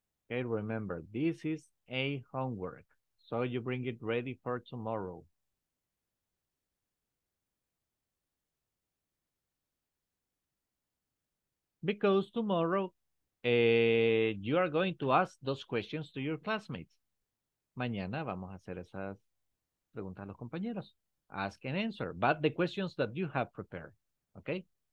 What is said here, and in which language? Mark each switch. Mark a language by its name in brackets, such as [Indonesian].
[English] Okay, remember, this is a homework, so you bring it ready for tomorrow. Because tomorrow, you are going to ask those questions to your classmates. [Spanish] Mañana vamos a hacer esas preguntas a los compañeros. [English] Ask and answer, but the questions that you have prepared, okay?